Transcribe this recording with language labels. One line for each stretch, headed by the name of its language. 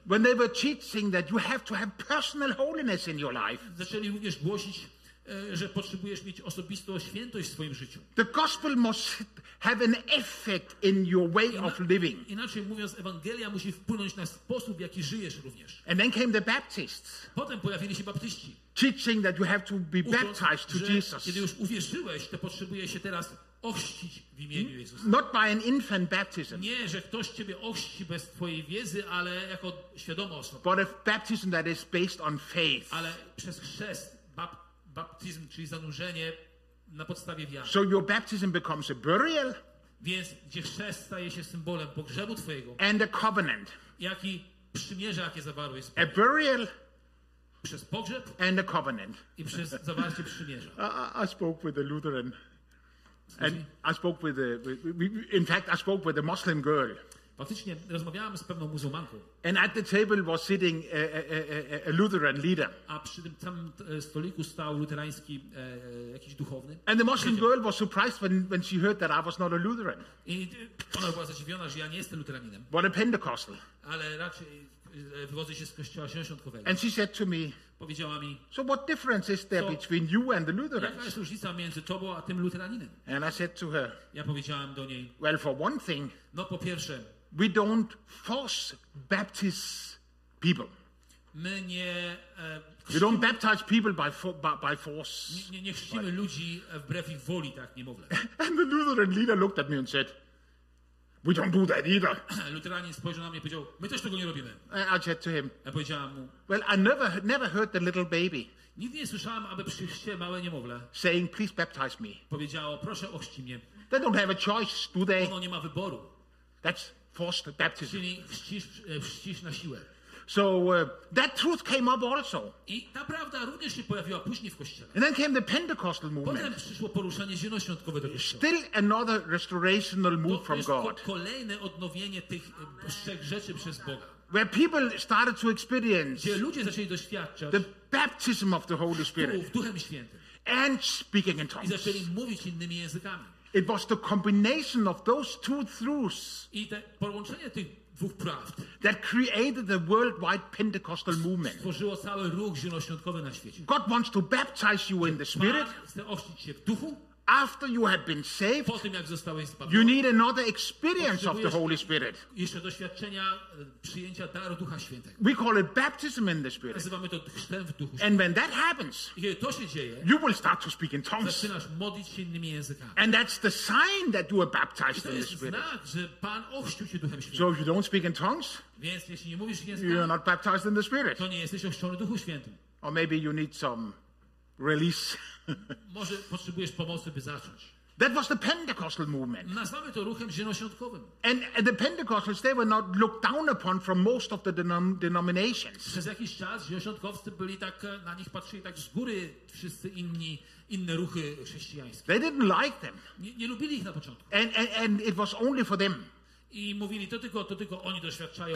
English: When they were teaching that you have to have personal holiness in your life.
Polish: Zaczęli również głosić, że potrzebujesz mieć osobistą świętość w swoim życiu.
English: The gospel must have an effect in your way of living.
Polish: Inaczej mówiąc, Ewangelia musi wpłynąć na sposób, w jaki żyjesz również.
English: And then came the Baptists.
Polish: Potem pojawili się Baptyści.
English: Teaching that you have to be baptized to Jesus.
Polish: Kiedy już uwierzyłeś, to potrzebuje się teraz ochrzcić w imieniu Jezusa.
English: Not by an infant baptism.
Polish: Nie, że ktoś ciebie ochrzci bez twojej wiedzy, ale jako świadoma osoba.
English: But a baptism that is based on faith.
Polish: Ale przez chrzest, baptyzm, czyli zanurzenie na podstawie wiary.
English: So your baptism becomes a burial.
Polish: Więc gdzie chrzest staje się symbolem pogrzebu twojego.
English: And a covenant.
Polish: Jak i przymierze, jakie zawarłeś.
English: A burial.
Polish: Przez pogrzeb.
English: And a covenant.
Polish: I przez zawarcie przymierza.
English: I spoke with a Lutheran. And I spoke with a Muslim girl.
Polish: Faktycznie rozmawiałem z pewną muzułmanką.
English: And at the table was sitting a Lutheran leader.
Polish: A przy tym samym stoliku stał luterański jakiś duchowny.
English: And the Muslim girl was surprised when she heard that I was not a Lutheran.
Polish: I ona była zaciekawiona, że ja nie jestem luteraninem.
English: But a Pentecostal.
Polish: Ale raczej wywodzę się z kościoła świątkowego.
English: And she said to me.
Polish: Powiedziała mi.
English: So what difference is there between you and the Lutherans?
Polish: Jaka jest różnica między tobą a tym luteraninem?
English: And I said to her.
Polish: Ja powiedziałam do niej.
English: Well, for one thing.
Polish: No po pierwsze.
English: We don't force baptize people.
Polish: My nie,
English: we don't baptize people by force.
Polish: Nie chrzcimy ludzi wbrew ich woli, tak niemowlę.
English: And the Lutheran leader looked at me and said, We don't do that either.
Polish: Luteranin spojrzał na mnie i powiedział, my też tego nie robimy.
English: I said to him,
Polish: ja powiedziałam mu,
English: well, I never heard the little baby.
Polish: Nigdy nie słyszałam, aby przy chrzcie małe niemowlę
English: saying, please baptize me.
Polish: Powiedziało, proszę ochrzcić mnie.
English: They don't have a choice, do they?
Polish: Ono nie ma wyboru.
English: That's forced baptism.
Polish: Czyli chrzcisz na siłę.
English: So that truth came up also.
Polish: I ta prawda również się pojawiła później w kościele.
English: And then came the Pentecostal movement.
Polish: Potem przyszło poruszenie zielonoświątkowe do kościoła.
English: Still another restorational move from God.
Polish: Kolejne odnowienie tych trzech rzeczy przez Boga.
English: Where people started to experience.
Polish: Gdzie ludzie zaczęli doświadczać.
English: The baptism of the Holy Spirit.
Polish: W Duchem Świętym.
English: And speaking in tongues.
Polish: I zaczęli mówić innymi językami.
English: It was the combination of those two truths.
Polish: I te połączenie tych dwóch prawd,
English: that created the worldwide Pentecostal movement.
Polish: Stworzyło cały ruch zielonoświątkowy na świecie.
English: God wants to baptize you in the Spirit.
Polish: Chce ochrzcić cię w duchu.
English: After you have been saved,
Polish: po tym jak zostałeś zbawiony,
English: you need another experience of the Holy Spirit.
Polish: Jeszcze doświadczenia przyjęcia daru Ducha Świętego.
English: We call it baptism in the Spirit.
Polish: Nazywamy to chrztem w duchu.
English: And when that happens,
Polish: kiedy to się dzieje,
English: you will start to speak in tongues.
Polish: Zaczynasz modlić się innymi językami.
English: And that's the sign that you are baptized in the Spirit.
Polish: To jest znak, że Pan ochrzcił cię Duchem Świętym.
English: So if you don't speak in tongues,
Polish: więc jeśli nie mówisz językami,
English: you are not baptized in the Spirit.
Polish: To nie jesteś ochrzczony Duchu Świętym.
English: Or maybe you need some release.
Polish: Może potrzebujesz pomocy, by zacząć.
English: That was the Pentecostal movement.
Polish: Nazwamy to ruchem zielonoświątkowym.
English: And the Pentecostals, they were not looked down upon from most of the denominations.
Polish: Przez jakiś czas zielonoświątkowcy byli tak, na nich patrzyli tak z góry wszyscy inni, inne ruchy chrześcijańskie.
English: They didn't like them.
Polish: Nie lubili ich na początku.
English: And it was only for them.
Polish: I mówili, to tylko oni doświadczają.